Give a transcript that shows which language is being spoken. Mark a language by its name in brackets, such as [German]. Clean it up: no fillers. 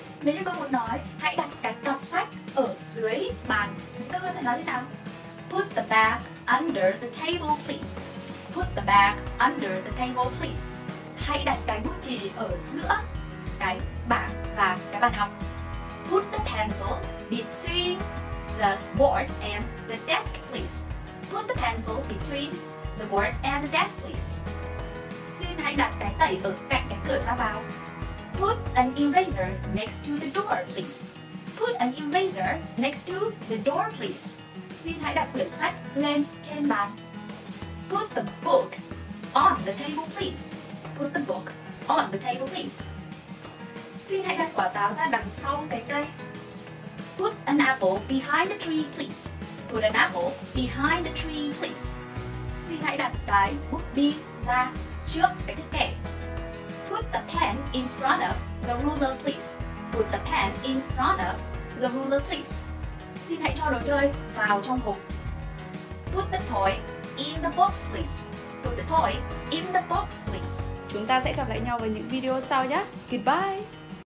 [Vietnamese] Nếu như con muốn nói hãy đặt cái cặp sách ở dưới bàn, các con sẽ nói thế nào? [English] Put the bag under the table please. Put the bag under the table please. [Vietnamese] Hãy đặt cái bút chì ở giữa cái bảng và cái bàn học. [English] Put the pencil between the board and the desk please. Put the pencil between the board and the desk please. [Vietnamese] Xin hãy đặt cái tẩy ở cạnh cái cửa ra vào. [English] Put an eraser next to the door please. Put an eraser next to the door please. [Vietnamese] Xin hãy đặt quyển sách lên trên bàn. [English] Put the book on the table please. Put the book on the table please. [Vietnamese] Xin hãy đặt quả táo ra đằng sau cái cây. [English] Put an apple behind the tree please. Put an apple behind the tree please. [Vietnamese] Xin hãy đặt cái bút bi ra trước cái thước kẻ. [English] Put the pen in front of the ruler please. Put the pen in front of the ruler please. [Vietnamese] Xin hãy cho đồ chơi vào trong hộp. [English] Put the toy in the box please. Put the toy in the box please. [Vietnamese] Chúng ta sẽ gặp lại nhau vào những video sau nhé. Goodbye.